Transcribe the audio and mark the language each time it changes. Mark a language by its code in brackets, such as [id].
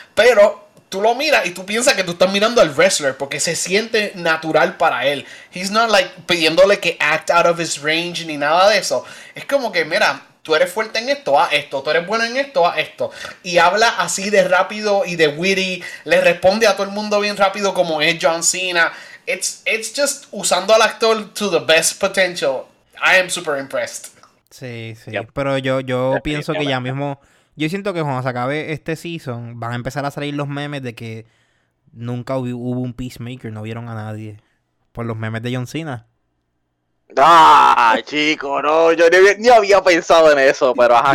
[es] Pero tú lo miras y tú piensas que tú estás mirando al wrestler porque se siente natural para él. [en] He's not like [es] pidiéndole que [en] act out of his range [es] ni nada de eso. Es como que, mira, tú eres fuerte en esto, a esto. Tú eres bueno en esto, a esto. Y habla así de rápido y de witty. Le responde a todo el mundo bien rápido como es John Cena. [en] It's just [es] usando al [en] actor to the best potential. I am super impressed. [es] Sí. Yep. Pero yo pienso que ya mismo, yo siento que cuando se acabe este season van a empezar a salir los memes de que nunca hubo un Peacemaker. No vieron a nadie por los memes de John Cena. Ah, chico, no, yo ni había pensado en eso, pero ajá,